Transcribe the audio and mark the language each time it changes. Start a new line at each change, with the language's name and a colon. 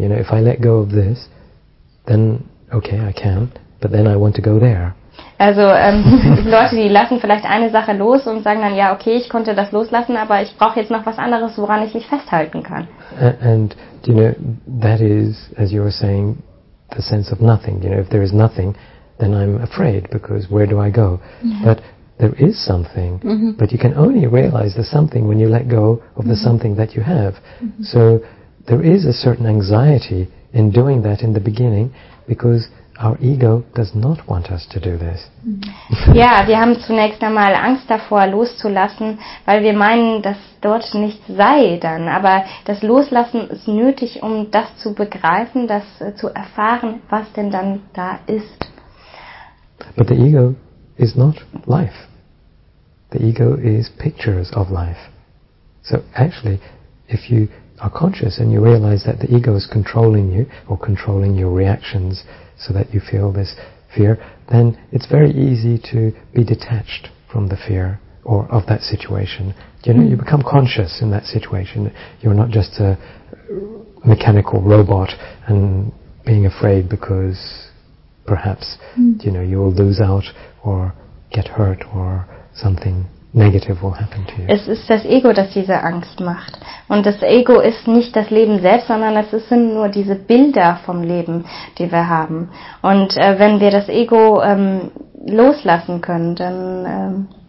English: You know, if I let go of this, then okay, I can, but then I want to go there.
German: Also Leute, die lassen vielleicht eine Sache los und sagen dann, ja, okay, ich konnte das loslassen, aber ich brauche jetzt noch was anderes, woran ich mich festhalten kann.
English: And you know, that is, as you were saying, the sense of nothing. You know, if there is nothing, then I'm afraid, because where do I go? Mm-hmm. But there is something, mm-hmm. but you can only realize the something when you let go of the mm-hmm. something that you have. Mm-hmm. So there is a certain anxiety in doing that in the beginning, because our ego does not want us to do this.
German: Ja, wir haben zunächst einmal Angst davor, loszulassen, weil wir meinen, dass dort nichts sei dann. Aber das Loslassen ist nötig, um das zu begreifen, das zu erfahren, was denn dann da ist.
English: But the ego is not life. The ego is pictures of life. So actually, if you are conscious and you realize that the ego is controlling you or controlling your reactions, so that you feel this fear, then it's very easy to be detached from the fear or of that situation. You know, you become conscious in that situation. You're not just a mechanical robot and being afraid because perhaps, you know, you will lose out or get hurt or something negative will happen to you.
German: Es ist das Ego, das diese Angst macht. Und das Ego ist nicht das Leben selbst, sondern es sind nur diese Bilder vom Leben, die wir haben. Und wenn wir das Ego loslassen können, dann...